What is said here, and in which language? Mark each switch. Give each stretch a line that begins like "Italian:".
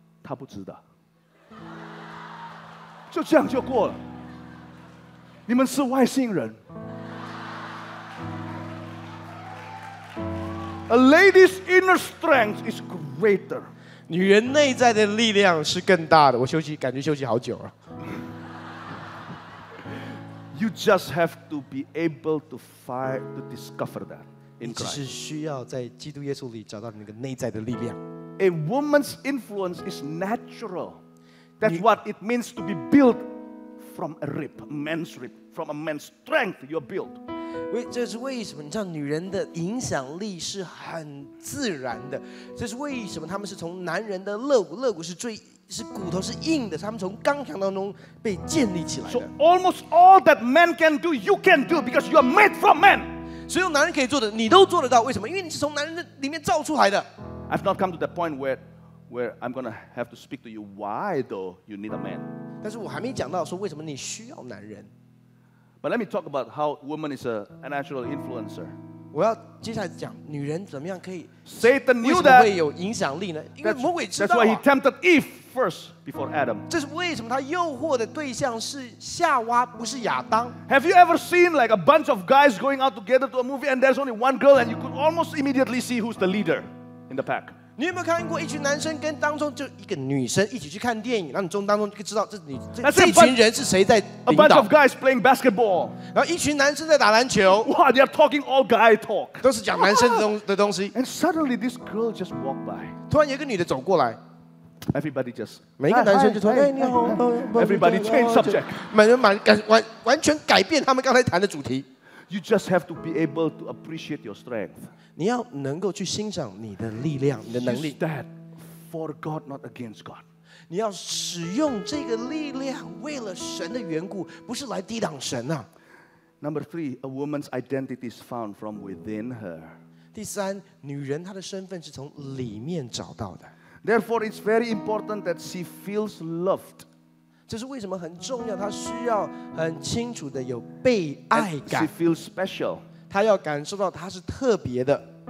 Chinese: 他不知道，就这样就过了。你们是外星人。
English: A lady's inner strength is greater.
Chinese: 女人内在的力量是更大的。我休息，感觉休息好久了。
English: You just have to be able to find to discover that in Christ.
Chinese: 只是需要在基督耶稣里找到那个内在的力量。
English: A woman's influence is natural. That's what it means to be built from a rib, a man's rib, from a man's strength. You're built.
Chinese: 这是为什么？你知道，女人的影响力是很自然的。这是为什么？她们是从男人的肋骨是骨头是硬的，她们从刚强当中被建立起来的。
English: So almost all that men can do, you can do because you are made from men.
Chinese: 所有男人可以做的，你都做得到。为什么？因为你是从男人里面造出来的。
English: I've not come to the point where I'm going to have to speak to you why though you need a man.
Chinese: 但是我还没讲到说为什么你需要男人。
English: But let me talk about how woman is a natural influencer.
Chinese: 我要接下来讲女人怎么样可以
English: Satan knew that.
Chinese: 为什么会有影响力呢？因为魔鬼知道。
English: That's why he tempted Eve first before Adam.
Chinese: 这是为什么他诱惑的对象是夏娃，不是亚当。
English: Have you ever seen like a bunch of guys going out together to a movie and there's only one girl and you could almost immediately see who's the leader in the pack?
Chinese: 你有没有看过一群男生跟当中就一个女生一起去看电影，然后你从当中就知道这你这一群人是谁在领导
English: ？A bunch of guys playing basketball.
Chinese: 然后一群男生在打篮球。
English: Wow, they are talking all guy talk.
Chinese: 都是讲男生的东西。
English: And suddenly this girl just walked by.
Chinese: 突然有一个女的走过来。
English: Everybody just
Chinese: 每一个男生就说：“哎，你好。”
English: Everybody change subject.
Chinese: 完全改变他们刚才谈的主题。
English: You just have to be able to appreciate your strength.
Chinese: 你要能够去欣赏你的力量，你的能力。
English: Use that for God, not against God.
Chinese: 你要使用这个力量为了神的缘故，不是来抵挡神啊。
English: Number three, a woman's identity is found from within her.
Chinese: 第三，女人她的身份是从里面找到的。
English: Therefore, it's very important that she feels loved.
Chinese: 这是为什么很重要，她需要很清楚的有被爱感。
English: She feels special.
Chinese: 她要感受到她是特别的。